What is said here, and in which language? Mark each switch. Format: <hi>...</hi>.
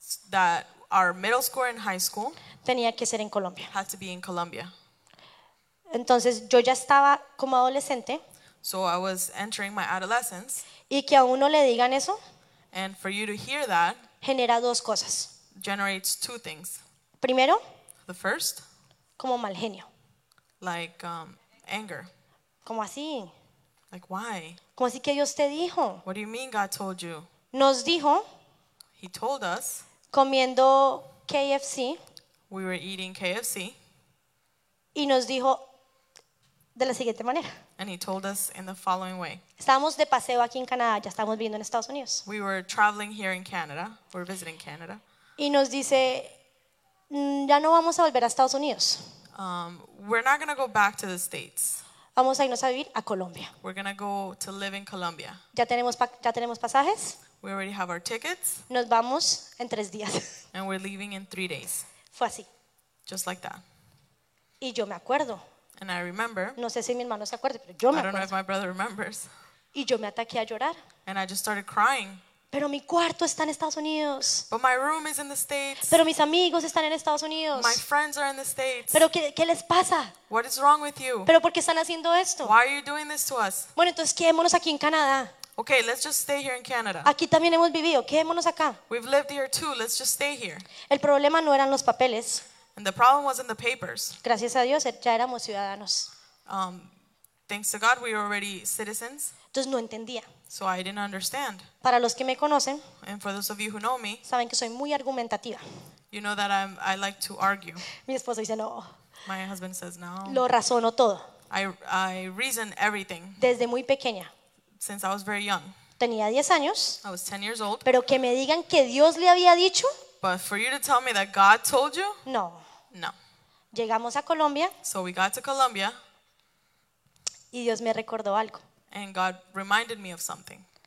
<en>That our middle school and high school</en> <es>tenía que ser en Colombia.</es> <en>Had to be in Colombia.</en> <es>Entonces yo ya estaba como adolescente.</es> <en>So I was entering my adolescence.</en> <es>Y que a uno le digan eso.</es> <en>And for you to hear that</en> <es>genera dos cosas.</es> <en>Generates two things.</en> <es>Primero,</es> <en>the first,</en> <es>como mal genio.</es> <en>Like anger.</en> <es>¿Cómo así?</es> <en>Like why?</en> <es>¿Cómo así que Dios te dijo?</es> <en>What do you mean God told you?</en> <es>Nos dijo.</es> <en>He told us.</en> <es>Comiendo KFC.</es> <en>We were eating KFC.</en> <es>Y nos dijo de la siguiente manera.</es> <en>And he told us in the following way.</en> <es>Estábamos de paseo aquí en Canadá, ya estábamos viviendo en Estados Unidos.</es> <en>We were traveling here in Canada. We were visiting Canada.</en> <es>Y nos dice, ya no vamos a volver a Estados Unidos.</es> <en>We're not going to go back to the States.</en> <es>Vamos a irnos a vivir a Colombia.</es> <en>We're going to go to live in Colombia.</en> <es>Ya tenemos pasajes.</es> <en>We already have our tickets.</en> <es>Nos vamos en 3 días.</es> <en>And we're leaving in 3 days.</en> <es>Fue así.</es> <en>Just like that.</en> <es>Y yo me acuerdo.</es> <en>And I remember.</en> <es>No sé si mi hermano se acuerda, pero yo me acuerdo.</es> <en>I don't know if my brother remembers.</en> <es>Y yo me ataqué a llorar.</es> <en>And I just started crying.</en> <es>Pero mi cuarto está en Estados Unidos.</es> <en>But my room is in the States.</en> <es>Pero mis amigos están en Estados Unidos.</es> <en>My friends are in the States.</en> <es>Pero ¿qué les pasa?</es> <en>What is wrong with you?</en> <es>Pero ¿por qué están haciendo esto?</es> <en>Why are you doing this to us?</en> <es>Bueno, entonces quedémonos aquí en Canadá.</es> <en>Okay, let's just stay here in Canada.</en> <es>Aquí también hemos vivido, quedémonos acá.</es> <en>We've lived here too, let's just stay here.</en> <es>El problema no eran los papeles.</es> <en>And the problem wasn't the papers.</en> <es>Gracias a Dios, ya éramos ciudadanos.</es> <en>Thanks to God, we were already citizens.</en> <es>Entonces no entendía.</es> <en>So I didn't understand.</en> <es>Para los que me conocen,</es> <en>and for those of you who know me,</en> <es>saben que soy muy argumentativa.</es> <en>You know that I like to argue.</en> <es>Mi esposo dice no.</es> <en>My husband says no.</en> <es>Lo razono todo.</es> <en>I reason everything.</en> <es>Desde muy pequeña.</es> <en>Since I was very young.</en> <es>Tenía 10 años.</es> <en>I was 10 years old.</en> <es>Pero que me digan que Dios le había dicho.</es> <en>But for you to tell me that God told you?</en> <es>No.</es> <en>No.</en> <es>Llegamos a Colombia.</es> <en>So we got to Colombia.</en> <es>Y Dios me recordó algo.</es> <en>And God reminded me of something.</en>